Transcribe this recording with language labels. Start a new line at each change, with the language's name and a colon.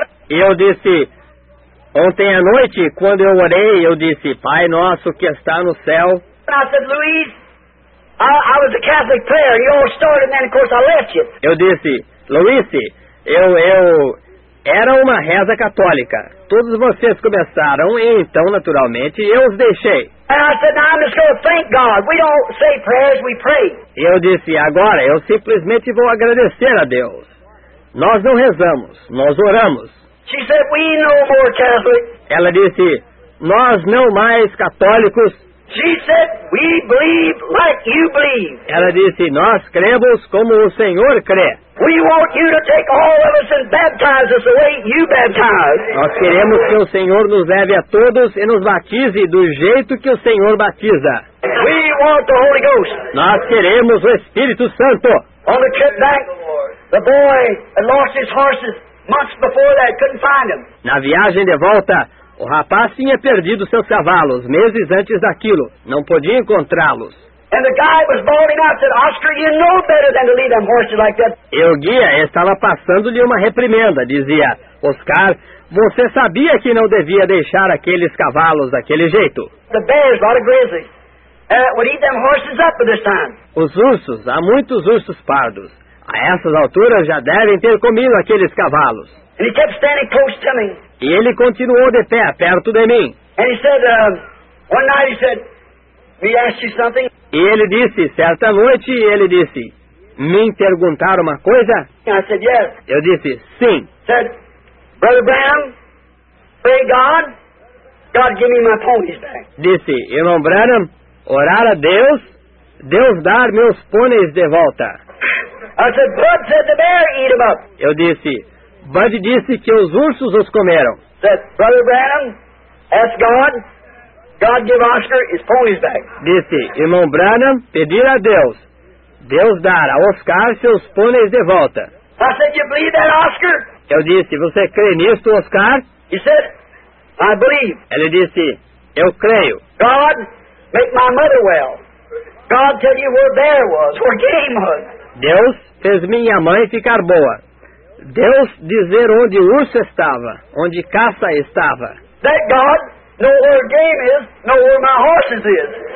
Portuguese: E eu disse, ontem à noite, quando eu orei, eu disse, Pai nosso que está no céu.
English: And I said, Louise, I was a Catholic prayer. You all started, and then of course I left you.
Portuguese: Eu disse, Louise, eu era uma reza católica. Todos vocês começaram, e então naturalmente eu os deixei.
English: And I said, now I'm just going to thank God. We don't say prayers, we pray.
Portuguese: E eu disse, agora eu simplesmente vou agradecer a Deus. Nós não rezamos, nós oramos.
English: She said, we no more Catholic.
Portuguese: Ela disse, nós não mais católicos.
English: She said, we believe like you believe.
Portuguese: Ela disse, nós cremos como o Senhor crê.
English: We want you to take all of us and baptize us the way you baptize.
Portuguese: Nós queremos que o Senhor nos leve a todos e nos batize do jeito que o Senhor batiza.
English: We want the Holy Ghost.
Portuguese: Nós queremos o Espírito Santo.
English: On the trip back, the boy had lost his horses. months before that, couldn't find them.
Portuguese: Na viagem de volta, o rapaz tinha perdido seus cavalos meses antes daquilo. Não podia encontrá-los.
English: And the guy was bawling out, said, Oscar, you know better than to leave them horses like that.
Portuguese: E o guia estava passando-lhe uma reprimenda, dizia, Oscar, você sabia que não devia deixar aqueles cavalos daquele jeito.
English: The bears, a lot of grizzlies, would eat them horses up at this time.
Portuguese: Os ursos, há muitos ursos pardos. A essas alturas já devem ter comido aqueles cavalos.
English: And he kept standing close to me.
Portuguese: E ele continuou de pé, perto de mim.
English: And he said, one night he said, we asked you something.
Portuguese: E ele disse, certa noite, ele disse, me perguntaram uma coisa?
English: I said, yes.
Portuguese: Eu disse, sim.
English: Said, Brother Branham, pray God, God give me my ponies back.
Portuguese: Disse, irmão Branham, orar a Deus, Deus dar meus pôneis de volta.
English: I said, Bud said the bear eat them up.
Portuguese: Eu disse, Bud disse que os ursos os comeram.
English: Said, Brother Branham, ask God. God give Oscar his ponies back.
Portuguese: Disse, irmão Branham, pedir a Deus. Deus dar a Oscar seus pôneis de volta.
English: I said, you believe that, Oscar?
Portuguese: Eu disse, você crê nisto, Oscar?
English: He said, I believe.
Portuguese: Ele disse, eu creio.
English: God, make my mother well. God, tell you where bear was, where game was.
Portuguese: Deus fez minha mãe ficar boa. Deus dizer onde urso estava, onde caça estava.
English: That God... Know where game is, know where my horses is.